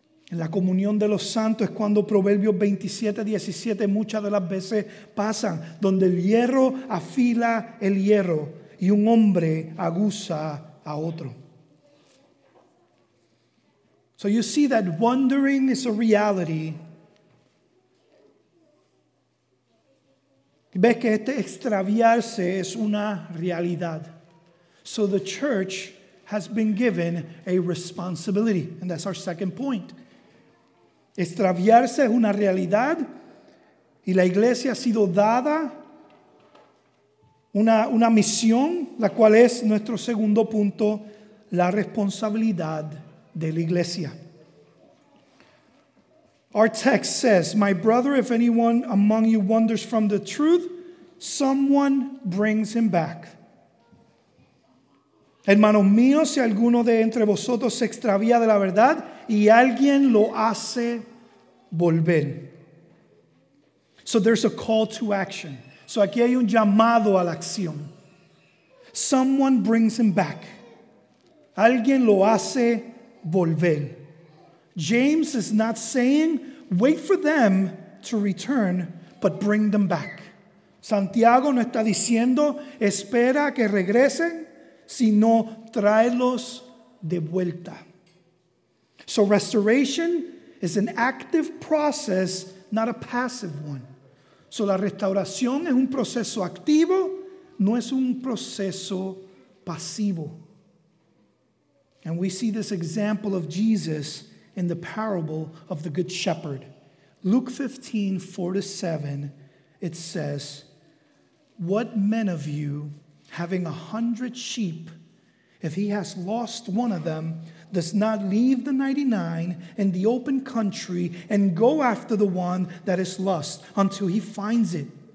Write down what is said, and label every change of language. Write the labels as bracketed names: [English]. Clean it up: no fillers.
[Spanish] En la comunión de los santos es cuando Proverbios 27:17 muchas de las veces pasan, donde el hierro afila el hierro y un hombre aguza a otro. [English] So you see that wandering is a reality. [Spanish] Ves que este extraviarse es una realidad. [English] So the church has been given a responsibility. And that's our second point. [Spanish] Extraviarse es una realidad. Y la iglesia ha sido dada una misión, la cual es nuestro segundo punto, la responsabilidad de la iglesia. [English] Our text says, my brother, if anyone among you wanders from the truth, someone brings him back. [Spanish] Hermanos míos, si alguno de entre vosotros se extravía de la verdad y alguien lo hace volver. [English] So there's a call to action. [Spanish] So aquí hay un llamado a la acción. [English] Someone brings him back. [Spanish] Alguien lo hace volver. [English] James is not saying, wait for them to return, but bring them back. [Spanish] Santiago no está diciendo, espera que regresen, sino tráelos de vuelta. [English] So restoration is an active process, not a passive one. [Spanish] So la restauración es un proceso activo, no es un proceso pasivo. [English] And we see this example of Jesus in the parable of the Good Shepherd. Luke 15, 4-7, it says, what men of you, having 100 sheep, if he has lost one of them, does not leave the 99 in the open country and go after the one that is lost until he finds it?